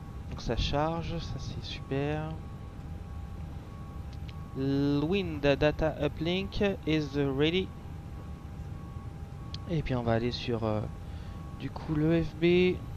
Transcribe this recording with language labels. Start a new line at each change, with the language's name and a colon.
French: Donc ça charge, ça c'est super.
English: Wind data uplink is ready.
French: Et puis on va aller sur du coup le FB.